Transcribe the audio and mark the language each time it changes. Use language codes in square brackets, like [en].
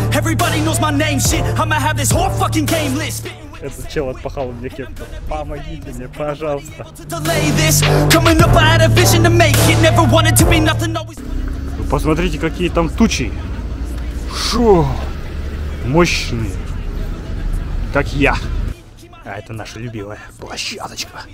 [en] Everybody knows my name, shit. I'ma have this whole fucking game list. [ru] Этот чел отпахал мне кепку. Помогите мне, пожалуйста. [en] Coming up, I had a vision to make it. Never wanted to be nothing, always. [ru] Посмотрите, какие там тучи. Шо! Мощные. Как я. А это наша любимая площадочка.